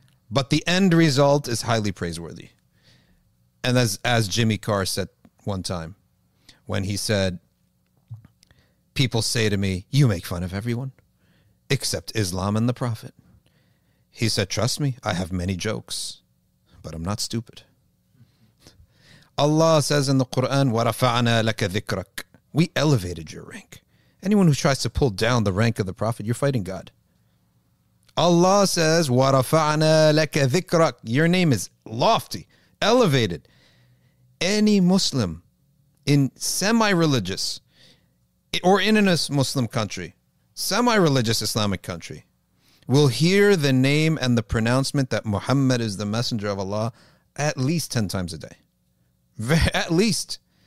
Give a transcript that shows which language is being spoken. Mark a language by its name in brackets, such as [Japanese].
[English] But the end result is highly praiseworthy. And as Jimmy Carr said one time, when he said, people say to me, you make fun of everyone except Islam and the Prophet. He said, trust me, I have many jokes, but I'm not stupid. Allah says in the Quran, وَرَفَعْنَا لَكَ ذِكْرَكَ. We elevated your rank. Anyone who tries to pull down the rank of the Prophet, you're fighting God. [Arabic] Allah says, وَرَفَعْنَا لَكَ ذِكْرَكَ. [English] Your name is lofty, elevated. Any Muslim in semi-religious or in a Muslim country, semi-religious Islamic country, will hear the name and the pronouncement that Muhammad is the messenger of Allah at least 10 times a day. At least.